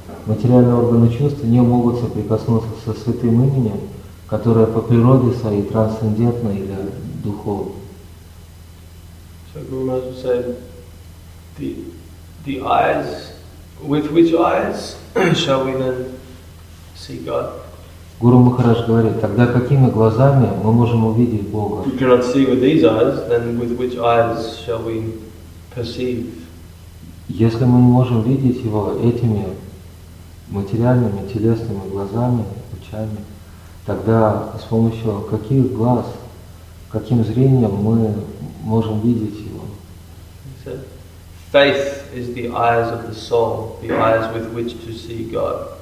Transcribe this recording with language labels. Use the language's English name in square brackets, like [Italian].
[Russian] Материальные органы чувств не могут соприкоснуться со святым именем, которая по природе своей трансцендентна или духовна. [English] So Guru Maharaj would say, the eyes, with which eyes shall we then see God? [Russian] Guru Maharaj говорит, тогда какими глазами мы можем увидеть Бога? [English] If we cannot see with these eyes, then with which eyes shall we perceive? [Russian] Если мы не можем видеть Его этими материальными, телесными глазами, очами, тогда с помощью каких глаз, каким зрением мы можем видеть его? [English] Faith is the eyes of the soul, the eyes with which to see God.